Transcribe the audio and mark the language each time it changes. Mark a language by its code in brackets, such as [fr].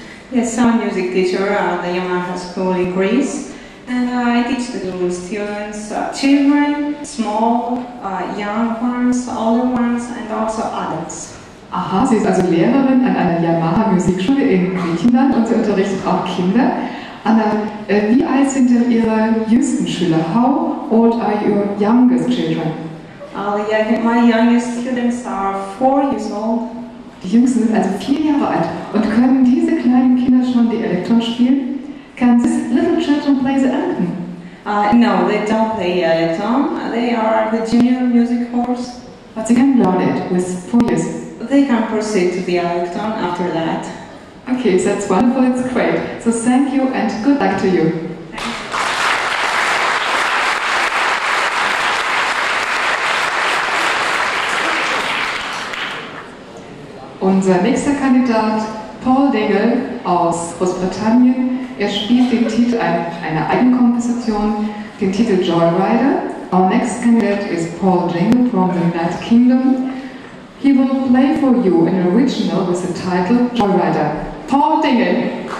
[en] Yes, I'm a music teacher at the Yamaha School in Greece. And I teach the students, children, small, young ones, older ones, and also adults. [de] Aha, sie ist also Lehrerin an einer Yamaha Musikschule in Griechenland und sie unterrichtet auch Kinder. Anna, wie alt sind denn Ihre jüngsten Schüler? [en] How old are your youngest children? My youngest students are 4 years old. [de] Die Jüngsten sind also 4 Jahre alt. Und können diese kleinen Kinder schon die Elektron spielen? [en] Can these little children play the elektron? No, they don't play elektron. They are the junior music course. But they can learn it with 4 years. They can proceed to the elektron after that. Okay, that's wonderful. It's great. So thank you and good luck to you. [de] Unser nächster Kandidat, Paul Dingle aus Großbritannien. Er spielt den Titel eine Eigenkomposition, den Titel Joyrider. [en] Our next candidate is Paul Dingle from the United Kingdom. He will play for you an original with the title Joyrider. Paul Dingle!